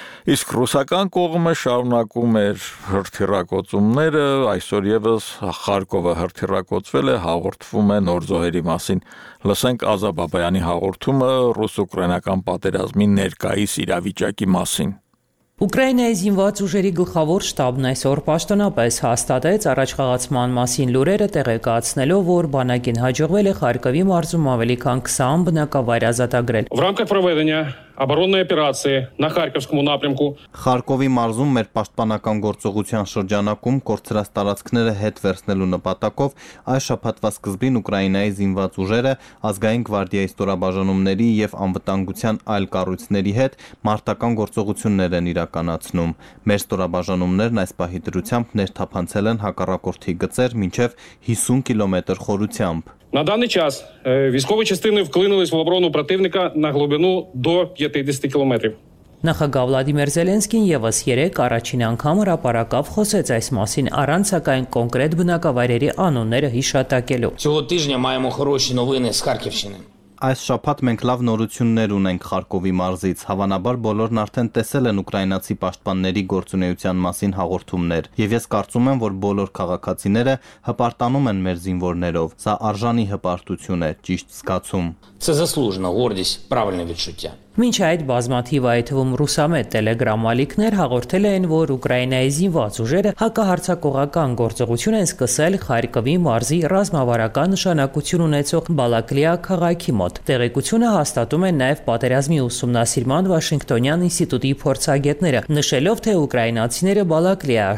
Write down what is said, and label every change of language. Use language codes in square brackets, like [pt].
[hy] Իսկ ռուսական կողմը շարունակում էր հրթիռակոծումները, այսօր ևս Խարկովը հրթիռակոծվել է, հաղորդվում է նոր զոհերի մասին։ Լսենք Ազա Բաբայանի հաղորդումը ռուս-ուկրաինական պատերազմի ներկայիս իրավիճակի մասին։ Ուկրաինայի զինված ուժերի գլխավոր շտաբն այսօր պաշտոնապես հաստատեց առաջխաղացման մասին լուրերը, տեղեկացնելով, որ բանակին հաջողվել է Խարկովի մարզում ավելի քան 20 բնակավայր ազատագրել։ [uk] Оборонной операции на Харьковскому напрямку. [hy] Խարկովի մարզում մեր պաշտպանական գործողության շրջանակում կորցրած տարածքները հետ վերցնելու նպատակով այս շաբաթվա սկզբին Ուկրաինայի զինված ուժերը ազգային գվարդիայի ստորաբաժանումների եւ անվտանգության այլ կառույցների հետ մարտական գործողություններ են իրականացնում։ Մեր ստորաբաժանումներն այս պահի դրությամբ ներթափանցել են հակառակորդի գծեր մինչեւ 50 կիլոմետր խորությամբ։ [ru] На данный час [uk] військові частини вклинулись в оборону противника на глибину до 50 кілометрів. [hy] Նախագահ Վլադիմիր Զելենսկին եւս 3 առաջին անգամ հրապարակավ խոսեց այս մասին, առանց սակայն կոնկրետ բնակավայրերի անունները հիշատակելու։ [uk] Цього тижня маємо хороші новини з Харківщини. [hy] Այս շաբաթ մենք լավ նորություններ ունենք Խարկովի մարզից։ Հավանաբար բոլորն արդեն տեսել են ուկրաինացի պաշտպանների գործունեության մասին հաղորդումներ, եւ ես կարծում եմ, որ բոլոր քաղաքացիները հպարտանում են մեր զինվորներով։ Սա արժանի հպարտություն է, ճիշտ զգացում։ [uk] Це заслужено, гордість, правильне відчуття. [hy] Մինչ այդ բազմաթիվ այթվում ռուսամետ տելեգրամալիքներ հաղորդել են, որ Ուկրաինայի զինված ուժերը հակահարցակողական գործողություն են սկսել Խարկովի մարզի ռազմավարական նշանակություն ունեցող Բալակլիա քաղաքի մոտ։ Տեղեկությունը հաստատում են նաև պատերազմի ուսումնասիրման Վաշինգտոնյան ինստիտուտի փորձագետները, նշելով, թե ուկրաինացիները Բալակլիա